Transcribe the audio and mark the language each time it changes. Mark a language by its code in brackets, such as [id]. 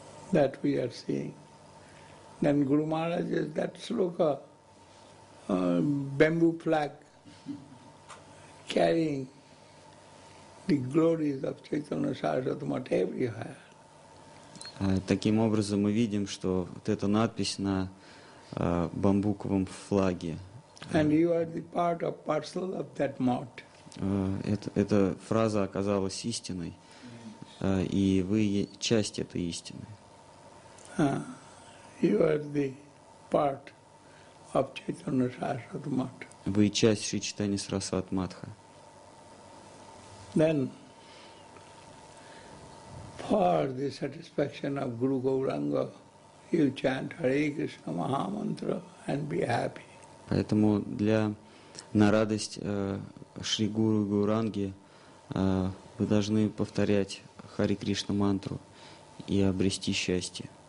[en] That we are seeing. Then Guru Maharaj is that sloka, bamboo flag carrying the glories of Chaitanya Sarasvati Mat everywhere. [ru] Таким образом мы видим, что вот эта надпись на бамбуковом флаге. [en] And you are the part of parcel of that mat. [ru] Эта фраза оказалась истиной, и вы часть этой истины. [en] You are the part of Chaitanya Sarasvati Mat. [ru] Вы часть Шри Чайтанья Сарасвати Матха. [en] Then, for the satisfaction of Guru Gauranga, you chant Hare Krishna Maha Mantra and be happy. [ru] Поэтому для на радость Шри Гуру Гауранги вы должны повторять Хари Кришна мантру и обрести счастье.